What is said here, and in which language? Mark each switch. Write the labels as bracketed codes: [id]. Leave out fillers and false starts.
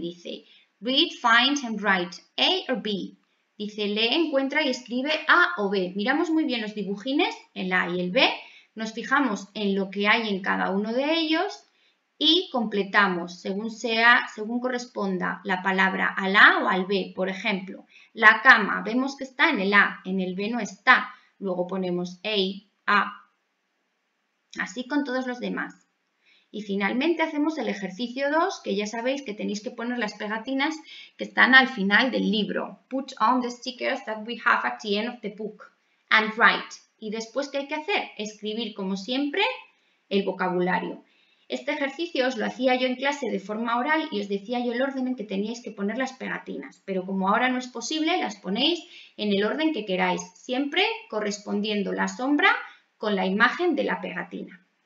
[en] Dice, read, find and write, A or B. [es] Dice, lee, encuentra y escribe A o B. Miramos muy bien los dibujines, el A y el B. Nos fijamos en lo que hay en cada uno de ellos y completamos según corresponda la palabra al A o al B. Por ejemplo, la cama, vemos que está en el A, en el B no está. Luego ponemos A. Así con todos los demás. Y finalmente hacemos el ejercicio 2, que ya sabéis que tenéis que poner las pegatinas que están al final del libro. [en] Put on the stickers that we have at the end of the book and write. [es] Y después, ¿qué hay que hacer? Escribir, como siempre, el vocabulario. Este ejercicio os lo hacía yo en clase de forma oral y os decía yo el orden en que teníais que poner las pegatinas. Pero como ahora no es posible, las ponéis en el orden que queráis, siempre correspondiendo la sombra con la imagen de la pegatina.